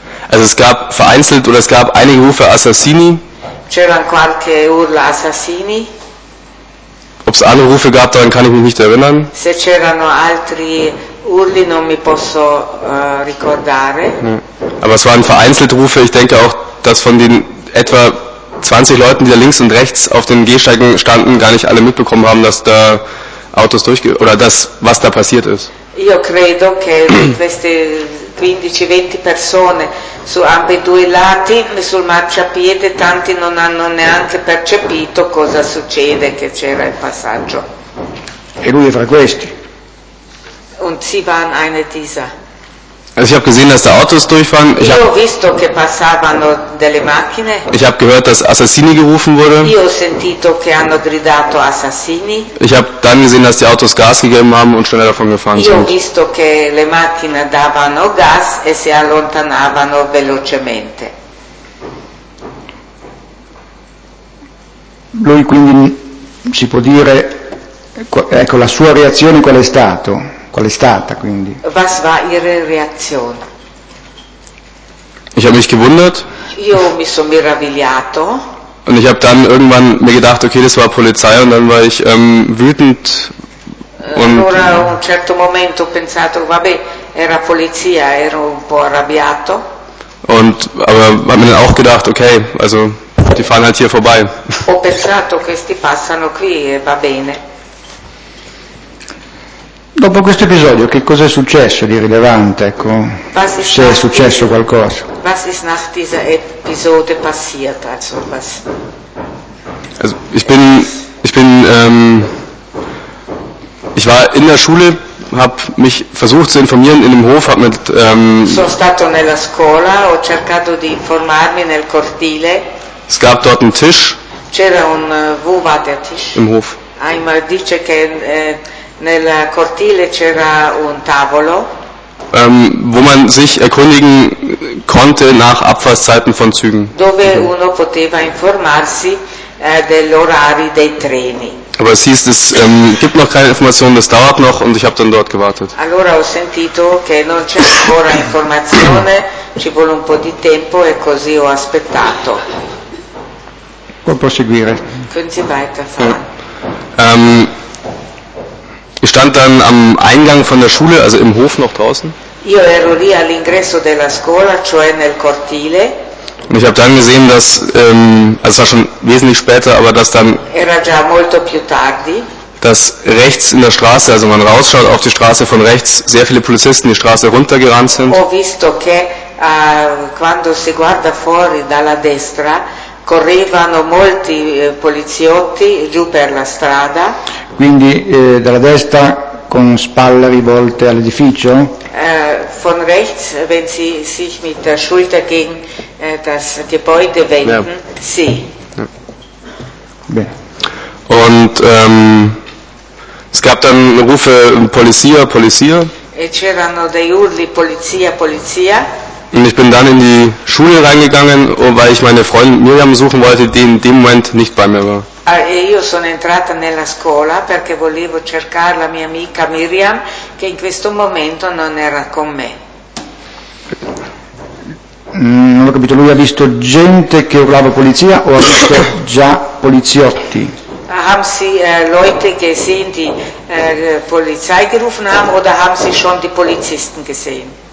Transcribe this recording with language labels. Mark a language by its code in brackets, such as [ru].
[de] Also es gab vereinzelt oder es gab einige Rufe Assassini. [it] C'erano qualche urla assassini? [de] Ob es andere Rufe gab, daran kann ich mich nicht erinnern. [it] Se c'erano altri urli, non mi posso ricordare. [de] Aber es waren vereinzelte Rufe. Ich denke auch, dass von den etwa 20 Leuten, die da links und rechts auf den Gehsteigen standen, gar nicht alle mitbekommen haben, dass da Autos oder das, was da passiert ist. [it] Io credo che queste 15-20 persone su ambedue i lati, sul marciapiede, tanti non hanno neanche percepito cosa succede, che c'era il passaggio. E lui è fra questi. [de] Und sie waren eine dieser. Also ich habe gesehen, dass da Autos durchfahren. [it] Io ho visto che passavano delle macchine. [de] Ich habe gehört, dass Assassini gerufen wurde. [it] Io ho sentito che hanno gridato assassini. [de] Ich habe dann gesehen, dass die Autos Gas gegeben haben und schnell davon gefahren sind. [it] Io ho visto che le macchine davano gas e si allontanavano velocemente. Lui quindi si può dire, ecco, la sua reazione qual è stato? Qual è stata quindi? [de] Was war ihre Reazione? Ich habe mich gewundert. [it] Io mi sono meravigliato. [de] Und ich habe dann irgendwann mir gedacht, okay, das war Polizei, und dann war ich wütend. [it] Allora a un certo momento ho pensato, vabbè, era polizia, ero un po' arrabbiato. [de] Und aber habe mir dann auch gedacht, okay, also die fahren halt hier vorbei. [it] Ho pensato, questi passano qui e va bene. Dopo questo episodio, che cosa è successo di rilevante, ecco, se è successo qualcosa? [de] Was ist nach diesem Episode passiert, also was? Also ich war in der Schule habe mich versucht zu informieren in dem Hof, habe mit [it] sono stato nella scuola, ho cercato di informarmi nel cortile. [de] Es gab dort einen Tisch. [it] C'era un, wo war der Tisch? [de] Im Hof. Einmal [it] dice che nel cortile c'era un tavolo. [de] Wo man sich erkundigen konnte nach Abfahrtszeiten von Zügen. [it] Dove uno poteva informarsi dell'orari dei treni. [de] Aber es hieß, es gibt noch keine Informationen, das dauert noch, und ich habe dann dort gewartet. [it] Allora ho sentito che non c'è ancora informazione, ci vuole un po' di tempo, e così ho aspettato. Può proseguire. [de] Können Sie weiterfahren? Ich stand dann am Eingang von der Schule, also im Hof noch draußen. [it] Io ero lì all'ingresso della scuola, cioè nel cortile. [de] Und ich habe dann gesehen, dass, also es war schon wesentlich später, aber dass dann, [it] era già molto più tardi, [de] dass rechts in der Straße, also man rausschaut auf die Straße von rechts, sehr viele Polizisten die Straße runtergerannt sind. [it] Ho visto che quando si guarda fuori dalla destra, correvano molti poliziotti giù per la strada. Quindi dalla destra con spalle rivolte all'edificio? [de] Von rechts, wenn sie sich mit der Schulter gegen das Gebäude wenden, ja. [it] Sì. [de] Ja. [it] Bene. [de] Und es gab dann Rufe Polizia, Polizia. [it] E c'erano dei urli Polizia, Polizia. [de] Und ich bin dann in die Schule reingegangen, weil ich meine Freundin Miriam suchen wollte, die in dem Moment nicht bei mir war. [it] E io sono entrata nella scuola perché volevo cercare la mia amica Miriam, che in questo momento non era con me. Non ho capito, lui ha visto gente che urlava polizia o ha visto già poliziotti? [de] Haben Sie Leute gesehen, die Polizei gerufen haben, oder haben Sie schon die Polizisten gesehen?